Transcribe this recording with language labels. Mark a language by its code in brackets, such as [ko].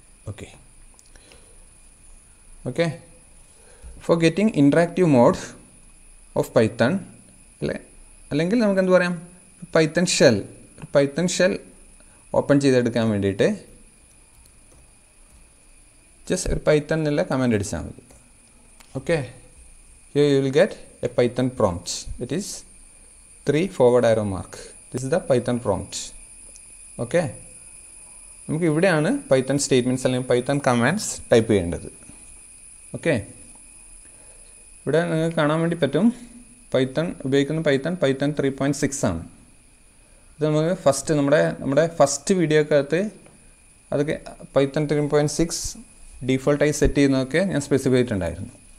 [ml] Okay okay, [en] for getting interactive mode of Python, [ml] അല്ലെങ്കിൽ നമുക്ക് എന്ത് പറയാം, പൈത്തൺ ഷെൽ, ഒരു പൈത്തൺ ഷെൽ ഓപ്പൺ ചെയ്തെടുക്കാൻ വേണ്ടിയിട്ട് ജസ്റ്റ് ഒരു പൈത്തണിലെ കമാൻഡ് അടിച്ചാൽ മതി. [en] Okay, here you will get a Python prompt. It is 3 forward arrow mark. This is the Python prompt. [ml] Okay, നമുക്ക് ഇവിടെയാണ് Python statements അല്ലെങ്കിൽ Python commands ടൈപ്പ് ചെയ്യേണ്ടത്. ഓക്കെ, ഇവിടെ നിങ്ങൾക്ക് കാണാൻ വേണ്ടി പറ്റും Python ഉപയോഗിക്കുന്ന Python 3.6 ആണ്. ഇത് നമുക്ക് ഫസ്റ്റ് നമ്മുടെ ഫസ്റ്റ് വീഡിയോക്കകത്ത് അതൊക്കെ പൈത്തൺ 3.6 ഡീഫോൾട്ടായി സെറ്റ് ചെയ്യുന്നതൊക്കെ ഞാൻ സ്പെസിഫൈ ചെയ്തിട്ടുണ്ടായിരുന്നു.